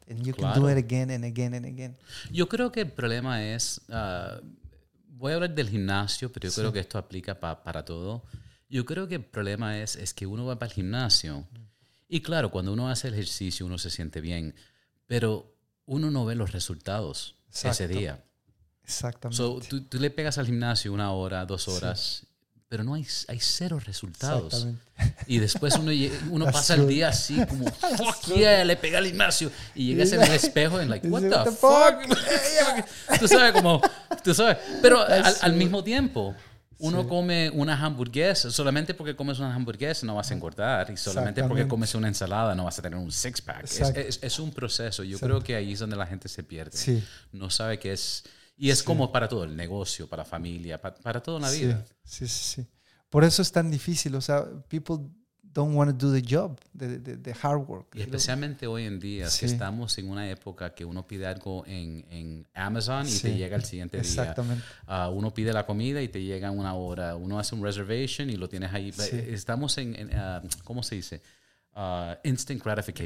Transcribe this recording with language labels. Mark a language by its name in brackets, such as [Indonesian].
[English] And you can do it again and again and again. [Spanish] Yo creo que el problema es... voy a hablar del gimnasio, pero yo creo que esto aplica para todo. Yo creo que el problema es que uno va para el gimnasio. Y claro, cuando uno hace el ejercicio, uno se siente bien. Pero uno no ve los resultados ese día. Exactamente. Tú le pegas al gimnasio una hora, dos horas, pero no hay cero resultados. Exactamente. Y después uno pasa el día así como, [English] fuck yeah, [Spanish] le pega al gimnasio. Y llegas en el espejo y [English] like, what the fuck? [Spanish] tú sabes. Pero al mismo tiempo, uno come una hamburguesa. Solamente porque comes una hamburguesa no vas a engordar. Y solamente porque comes una ensalada no vas a tener un six pack. Es un proceso. Yo creo que ahí es donde la gente se pierde. Sí. No sabe que es... Y es como para todo, el negocio, para familia, para toda la vida. Sí, sí, sí. Por eso es tan difícil. O sea, [English] people don't want to do the job, the hard work. [Spanish] Y especialmente hoy en día, si estamos en una época que uno pide algo en Amazon y te llega el siguiente día. Exactamente. Uno pide la comida y te llega en una hora. Uno hace un reservation y lo tienes ahí. Sí. Estamos en ¿cómo se dice? [English] Instant gratification.